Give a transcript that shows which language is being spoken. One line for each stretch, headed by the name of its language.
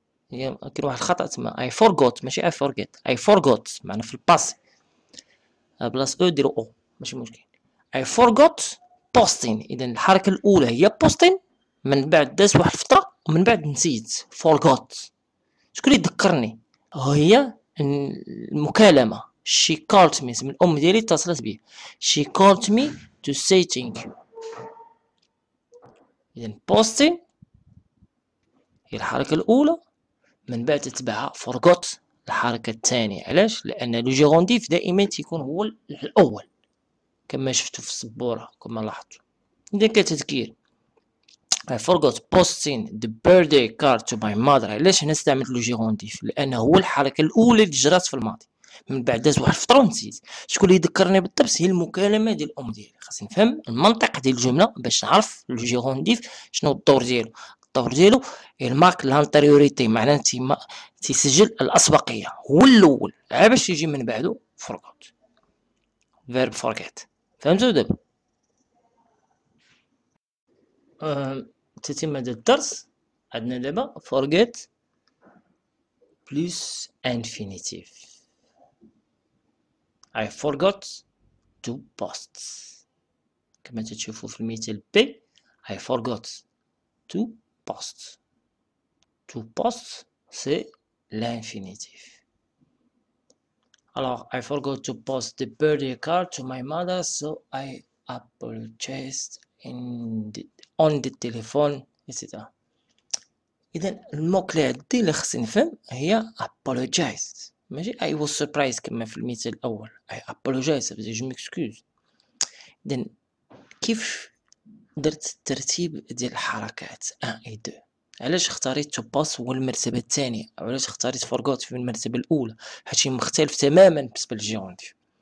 Arabic: كاين واحد الخطأ تسمى
English: I forgot
Arabic: ماشي
English: I forget.
Arabic: I forgot معنى في الباس بلاس او ديرو او، ماشي مشكل.
English: I forgot posting.
Arabic: إذا الحركة الأولى هي posting، من بعد دات واحد الفترة ومن بعد نسيت forgot. شكون اللي ذكرني؟ هي المكالمة.
English: She called me.
Arabic: اسم الأم ديالي اتصلت بي.
English: She called me to say thank you.
Arabic: إذن posting هي الحركة الأولى، من بعد تتبعها forgot الحركة الثانية. علاش؟ لأن لو جيرونديف دائما تيكون هو الأول كما شفتو في السبورة كما لاحظتو. إذن كتذكير
English: I forgot posting the birthday card to my mother.
Arabic: علاش هنا استعملت لو جيرونديف؟ لأن هو الحركة الأولى اللي جرات في الماضي، من بعد داز واحد الفترة ونسيت. شكون اللي ذكرني بالضبط؟ هي المكالمة ديال الأم ديالي. خاصني نفهم المنطق ديال الجملة باش نعرف لو جيرونديف شنو الدور ديالو. الدور ديالو الماك لانتيريوريتي، معناها تيسجل الأسبقية، هو الأول عا باش يجي من بعده فورغوت، فيرب فورغيت. فهمتوا دابا؟ تتم هذا الدرس. عندنا دابا فورغيت بلس انفينيتيف.
English: I forgot to post.
Arabic: كما تشوفوا في المثال B
English: I forgot to post.
French: To post c'est l'infinitif.
English: Alors I forgot to post the birthday card to my mother, so I apologized on the telephone, etc.
Arabic: إذن المقلة دي اللي خصني نفهم هي apologized، ماشي
English: I was surprised
Arabic: كما في المثال الأول. I apologize،
French: جو ميكسكوز.
Arabic: إذن كيف درت الترتيب ديال الحركات ان اي دو. علاش اختاريت تو باس هو المرتبه الثانيه؟ علاش اختاريت فورغوت في المرتبه الاولى؟ حيت مختلف تماما بالنسبه للجيروندي.